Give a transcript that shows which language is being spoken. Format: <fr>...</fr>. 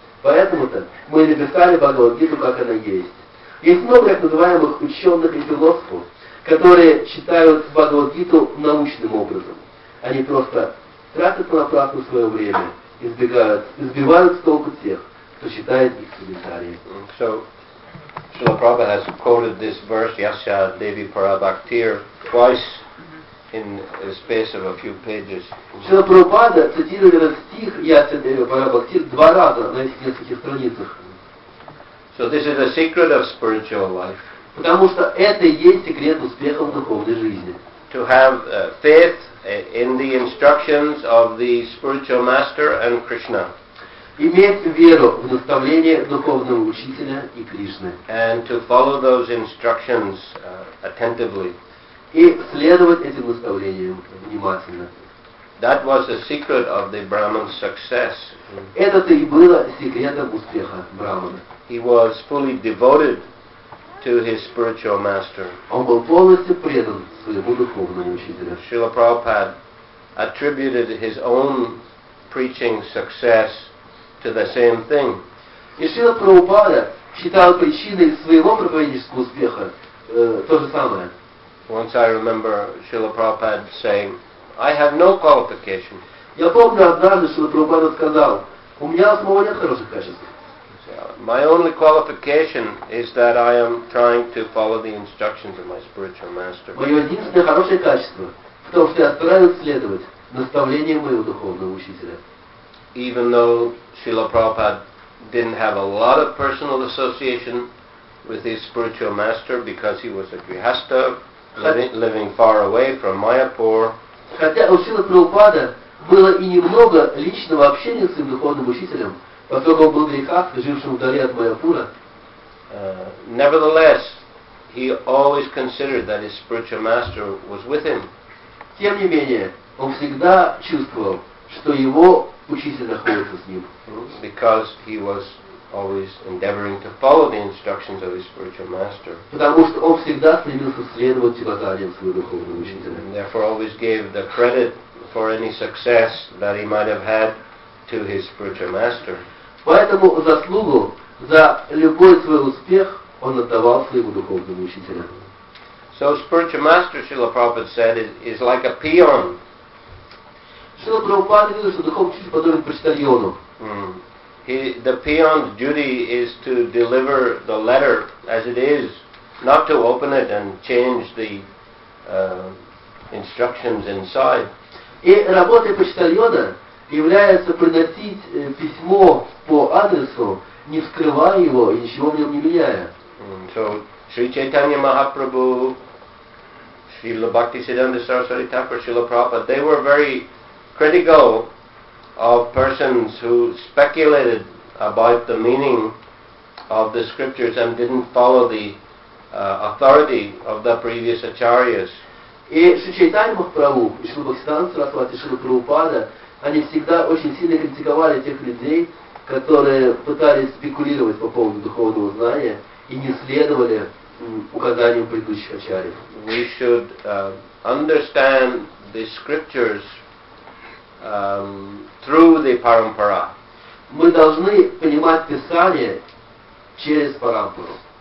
<ru>Поэтому-то мы и написали Бхагавад-гиту, как она есть. Есть много так называемых ученых и философов, которые читают Бхагавад-гиту научным образом. Они просто тратят напрасно свое время, избивают с толку тех, кто читает их комментарии.</ru> <en>So, Srila Prabhupada has quoted this verse, Yasya Devi Parabhaktir, twice in the space of a few pages.</en> <ru>Srila Prabhupada цитировал этот стих Yasya Devi Parabhaktir два раза на этих нескольких страницах.</ru> <en>So this is a secret of spiritual life.</en> <ru>Потому что это и есть секрет успеха в духовной жизни.</ru> <en>To have faith in the instructions of the spiritual master and Krishna.</en> <ru>Иметь веру в наставления духовного учителя и Кришны.</ru> <en>And to follow those instructions attentively.</en> <ru>И следовать этим наставлениям внимательно.</ru> <en>That was the secret of the Brahman's success.</en> <ru>Это и было секретом успеха Брахмана.</ru> <en>He was fully devoted to his spiritual master.</en> <ru>Он был полностью предан своему духовному учителю.</ru> <en>Srila Prabhupada attributed his own preaching success to the same thing.</en> <ru>И Шрила Прабхупада считал причиной своего проповеднического успеха то же самое.</ru> <en>Once I remember Srila Prabhupada saying, I have no qualification.</en> <ru>Я помню однажды, что Прабхупада сказал, у меня самого нет хороших качеств.</ru> <en>My only qualification is that I am trying to follow the instructions of my spiritual master.</en> <ru>Моё единственное хорошее качество в том, что я стараюсь следовать наставлениям моего духовного учителя.</ru> <en>Even though Srila Prabhupada didn't have a lot of personal association with his spiritual master because he was a grihastha living far away from Mayapur.</en> <ru>Хотя у Шрилы Прабхупады было и немного личного общения с своим духовным учителем, поскольку он был грехастхой, жившим вдали от Майяпура.</ru> <en>Nevertheless, he always considered that his spiritual master was with him.</en> <ru>Тем не менее, он всегда чувствовал, что его учитель находится с ним.</ru> <en>Because he was always endeavoring to follow the instructions of his spiritual master.</en> <ru>Потому что он всегда стремился следовать указаниям своего духовного учителя.</ru> <en>And therefore always gave the credit for any success that he might have had to his spiritual master.</en> <ru>Поэтому заслугу за любой свой успех он отдавал своему духовному учителю.</ru> <en>So spiritual master, Srila Prabhupada said, is like a peon.</en> <ru>Srila Prabhupada говорит, что духовный учитель подобен почтальону.</ru> <en>The peon's duty is to deliver the letter as it is, not to open it and change the instructions inside.</en> <ru>И работой почтальона является приносить письмо по адресу, не вскрывая его и ничего в нем не меняя.</ru> <en>So, Sri Chaitanya Mahaprabhu, Srila Bhaktisiddhanta Saraswati Thakur, Srila Prabhupada, they were very critical of persons who speculated about the meaning of the scriptures and didn't follow the authority of the previous acharyas.</en> <ru>И Шри Чайтанья Махапрабху, и Шри Бхактисиддханта Сарасвати, Шри Прабхупада, они всегда очень сильно критиковали тех людей, которые пытались спекулировать по поводу духовного знания и не следовали указаниям предыдущих ачарьев.</ru> <en>We should understand the scriptures through the parampara.</en> <ru>Мы должны понимать писание через парампару.</ru>